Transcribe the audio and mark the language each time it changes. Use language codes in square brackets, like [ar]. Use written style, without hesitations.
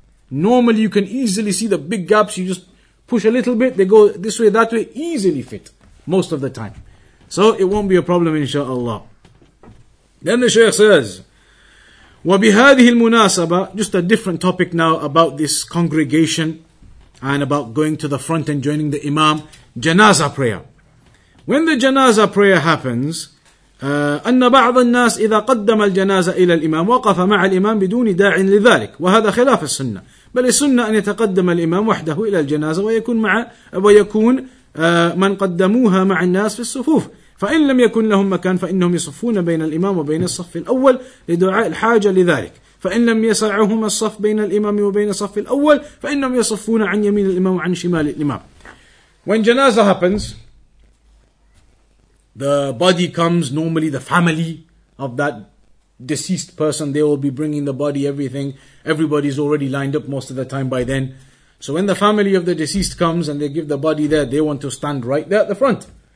[en] Normally you can easily see the big gaps. You just push a little bit, they go this way, that way, easily fit. Most of the time. So it won't be a problem, inshaAllah. Then the Shaykh says, [ar] وَبِهَذِهِ الْمُنَاسَبَةِ, [en] just a different topic now about this congregation and about going to the front and joining the imam, janaza prayer. When the janaza prayer happens, [ar] أَنَّ بَعْضَ النَّاسِ إِذَا قَدَّمَ الْجَنَازَ إِلَى الْإِمَامِ وَقَفَ مَعَ الْإِمَامِ بِدُونِ دَاعٍ لِذَلِكَ وَهَذَا خِلَافَ السُّنَّةِ بَلِ السُّنَّةِ أَنْ يَتَقَدَّمَ الْإِمَامُ وَحْدَهُ إِلَى الْجَنَازَةِ وَيَكُونَ مَنْ قَدَّمُوهَا مَعَ النَّاسِ فِي الصُّفُوفِ فإن لم يكن لهم مكان فإنهم يصفون بين الإمام وبين الصف الأول لدعاء الحاجة لذلك فإن لم يسعهم الصف بين الإمام وبين الصف الأول فإنهم يصفون عن يمين الإمام وعن شمال الإمام. [en] When janazah happens, the body comes, normally the family of that deceased person, they will be bringing the body, everything. Everybody's already lined up most of the time by then. So when the family of the deceased comes and they give the body there, they want to stand right there at the front.